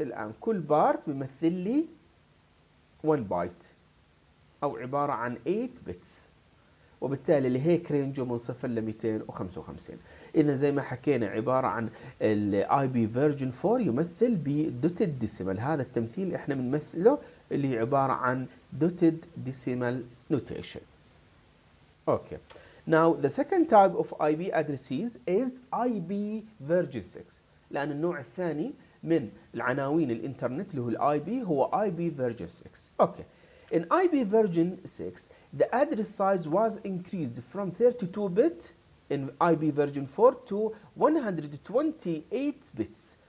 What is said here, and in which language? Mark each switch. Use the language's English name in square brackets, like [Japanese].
[Arabic] الان كل بارت بيمثل لي 1 بايت او عباره عن 8 بتس، وبالتالي لهيك رينجو من 0 ل 255. اذا زي ما حكينا عباره عن الاي بي فيرجن 4 يمثل بدوتد ديسيمال، هذا التمثيل احنا بنمثله اللي عبارة عن dotted decimal notation. Okay. [English] Now the second type of IP addresses is IP version 6. [Arabic] لأن النوع الثاني من العناوين الإنترنت اللي هو IP هو IP version 6. [English] Okay. In IP version 6, the address size was increased from 32 bit in IP version 4 to 128 bits.